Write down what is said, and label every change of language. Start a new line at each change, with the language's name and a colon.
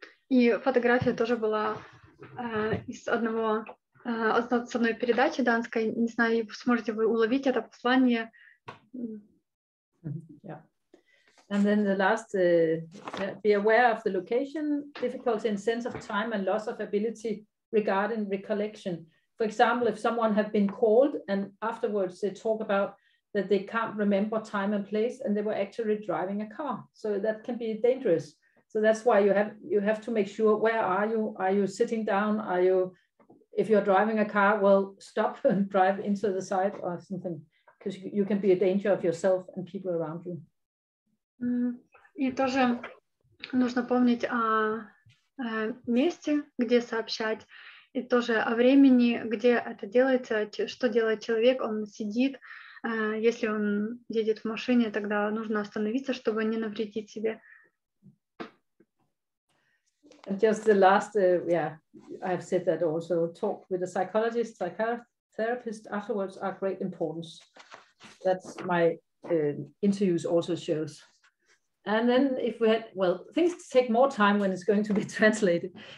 Russian: И фотография тоже была из одного с одной передачи данской. Не знаю, сможете вы уловить это послание. Yeah.
English: And then the last, be aware of the location, difficulty and sense of time and loss of ability regarding recollection. For example, if someone have been called and afterwards they talk about that they can't remember time and place and they were actually driving a car. So that can be dangerous. So that's why you have to make sure, where are you? Are you sitting down? If you're driving a car, well, stop and drive into the side or something, because you can be a danger of yourself and people around you.
Russian: И тоже нужно помнить о месте, где сообщать, и тоже о времени, где это делается, что делает человек, он сидит, если он едет в машине, тогда нужно остановиться, чтобы не навредить себе.
English: And just the last, I've said that also, talk with a psychologist, psychotherapist afterwards are great importance. That's my interviews also shows. And then if we had, well, things take more time when it's going to be translated.